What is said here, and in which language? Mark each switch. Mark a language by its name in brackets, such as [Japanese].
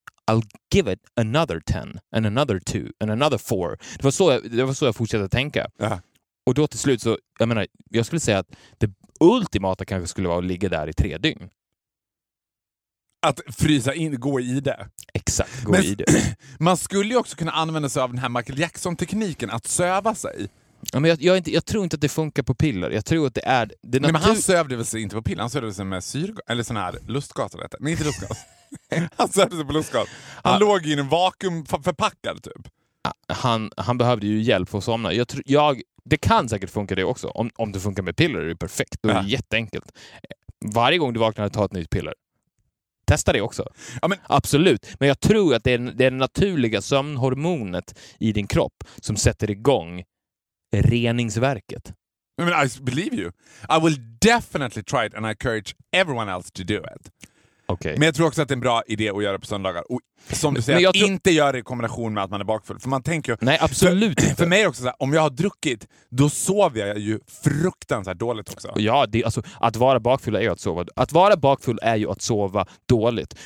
[English] I'll give it another 10 and another 2 and another 4. [Swedish] Det var så jag fortsatte tänka. Och då till slut så, jag menar, jag skulle säga att det ultimata kanske skulle vara att ligga där i 3 dygn. Att frysa in, gå i det. Exakt, gå men, i det. Man skulle ju också kunna använda sig av den här Michael Jackson-tekniken att söva sig. Ja, men jag tror inte att det funkar på piller. Jag tror att det är... Det nej, men han sövde väl sig inte på piller. Han sövde sig med syrgas. Eller sån här lustgas. Nej, inte lustgas. Han sövde sig på lustgas. Han låg i en vakuumförpackad typ. Han behövde ju hjälp för att somna. Det kan säkert funka det också. Om det funkar med piller är det perfekt. Då är det jätteenkelt. Varje gång du vaknar och tar ett nytt piller. Testa det också. Ja, men... Absolut. Men jag tror att det är naturliga sömnhormonet i din kropp som sätter igång reningsverket. [English] I mean, I believe you. I will definitely try it and I encourage everyone else to do it. Okay. [Swedish] Men jag tror också att det är en bra idé att göra på söndagar. Och som du säger, inte göra det i kombination med att man är bakfull. För man tänker ju... Nej, absolut inte. För mig också så här, om jag har druckit, då sover jag ju fruktansvärt dåligt också. Ja, att vara bakfull är ju att sova. Att vara bakfull är ju att sova dåligt.